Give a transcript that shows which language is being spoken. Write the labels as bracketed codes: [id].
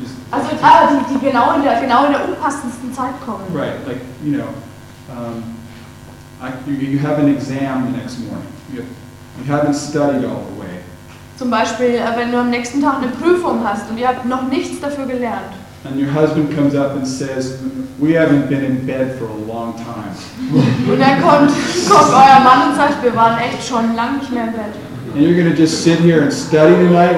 [de] Also die genau in der unpassendsten Zeit kommen. [en] Right, like you know, you have an exam the next morning. You haven't studied all the way. [de] Zum Beispiel, wenn du am nächsten Tag eine Prüfung hast und ihr habt noch nichts dafür gelernt. [en] And your husband comes up and says, "We haven't been in bed for a long time." [de] Und dann kommt euer Mann und sagt, wir waren echt schon lange nicht mehr im Bett. [en] And you're going to just sit here and study tonight?